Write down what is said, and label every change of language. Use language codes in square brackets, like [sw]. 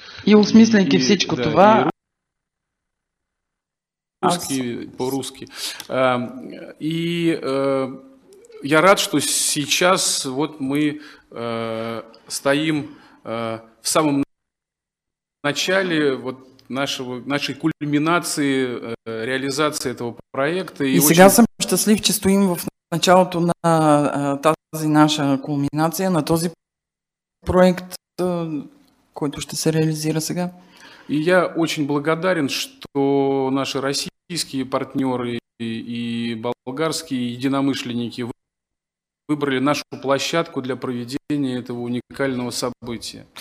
[bg] И осмисляйки всичко това. [ru] По-русски. И я рад, что сейчас вот мы стоим в самом начале вот нашей кульминации реализации этого проекта. [bg] И сега [ru] очень [bg] съм счастлив, че стоим в началото на тази наша кулминация, на този проект, който ще се реализира сега. [ru] И я очень благодарен, что наши российские партнеры и болгарские единомышленники выбрали нашу площадку для проведения этого уникального события.